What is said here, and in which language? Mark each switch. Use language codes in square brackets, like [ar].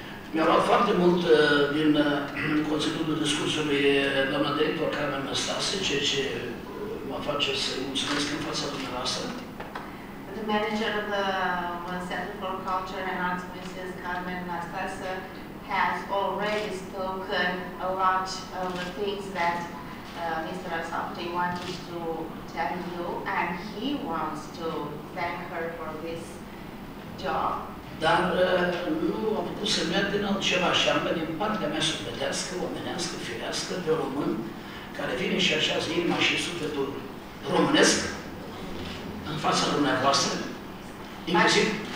[ro] Mi-a luat foarte mult din conținutul discursului doamna director Carmen Năstase, ceea ce mă face să mulțumesc în fața dumneavoastră. [en] The manager of the Center for Culture and Arts, Mrs. Carmen Năstase, has already spoken a lot of the things that Mr. Asafte wanted to tell you, and he wants to thank her for this job. [ro] Dar nu am putut să merg din altceva, și anume din partea mea sufletească, omenească, firească, de român, care vine și așează inima și sufletul românesc în fața dumneavoastră, inclusiv.